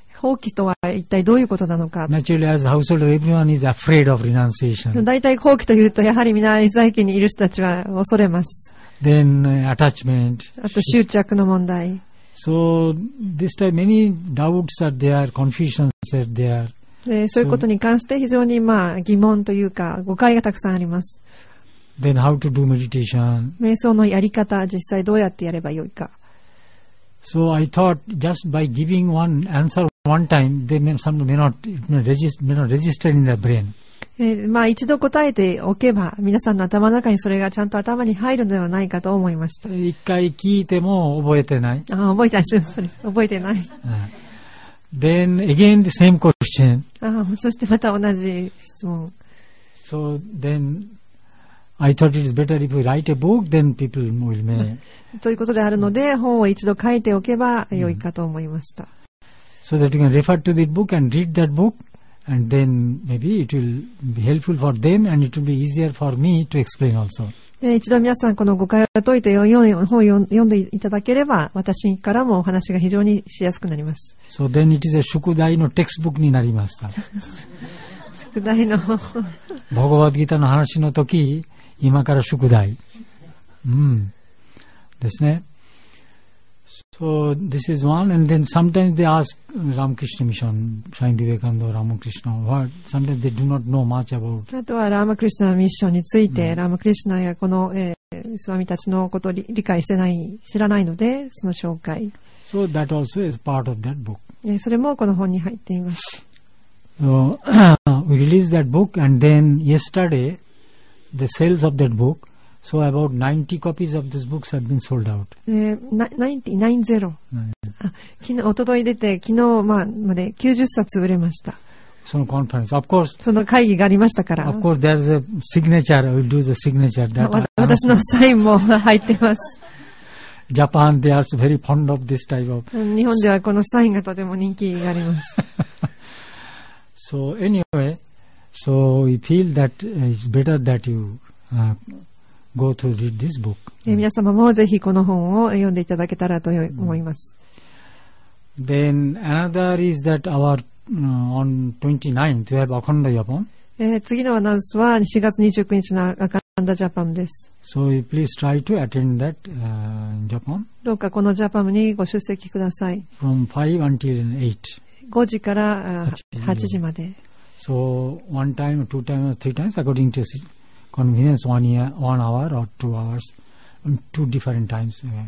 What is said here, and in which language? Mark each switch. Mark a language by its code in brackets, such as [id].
[ja] 放棄とは一体どういうことなのか。 [en] Naturally, as household, everyone is afraid of renunciation. [ja] 大体放棄というとやはり皆在家にいる人たちは恐れます。 [en] Then attachment. [ja] あと執着の問題。 [en] So this time, many doubts are there, confusions are there. [ja] でそういうことに関して非常にまあ疑問というか誤解がたくさんあります。 [en] Then how to do meditation? [ja] 瞑想のやり方、実際どうやってやればよいか。 [en] So I thought just by giving one answer one time, they may, some may not, may not register in their brain. [ja] まあ一度答えておけば、皆さんの頭の中にそれがちゃんと頭に入るのではないかと思いました。一回聞いても覚えてない。あ、覚えてない。すみません。覚えてない。 [en] Then again the same question. [ja] ああ、そしてまた同じ質問。 [en] So then I thought it is better if we write a book, then people will may. [ja] ということであるので、本を一度書いておけば良いかと思いました。 [en] So that you can refer to the book and read that book, and then maybe it will be helpful for them and it will be easier for me to explain also. [ja] 一度皆さんこの誤解を解いて本を読んでいただければ、私からもお話が非常にしやすくなります。 [en] So then it is a [ja] 宿題のテキストブックになりました。宿題の。バガヴァッド・ギーターの話の時、今から宿題。うん。ですね。 [en] So this is one, and then sometimes they ask Ramakrishna Mission, Swami Vivekananda, Ramakrishna, what? Sometimes they do not know much about. [ja] あとはラマクリシュナミッションについて、ラマクリシュナがこの、スワミたちのことを理解してない、知らないので、その紹介。 [en] So that also is part of that book. [ja] それもこの本に入っています。 [en] So we released that book, and then yesterday, the sales of that book. So about 90 copies of this book have been sold out. 90. [ja] 昨日、おととい出て、昨日まで90冊売れました。 [en] その conference. Of course, [ja] その会議がありましたから。 [en] Of course, there is a signature. We'll do the signature. That [ja] 私のサインも入ってます。 [en] Japan, they are very fond of this type of. [ja] 日本ではこのサインがとても人気があります。 [en] So anyway, so we feel that it's better that you. Go to read this book. [ja] 皆様もぜひこの本を読んでいただけたらと思います。 [en] Then another is that our on 29th we have Akhanda Japan. [ja] 次のアナウンスは4月29日のアカンダジャパンです。 [en] So please try to attend that Japan. [ja] どうかこのジャパンにご出席ください。 [en] From 5 until 8. [ja] 5時から8時まで。 [en] So one time, two times, three times according to Convenience one year, one hour or two hours, two different times.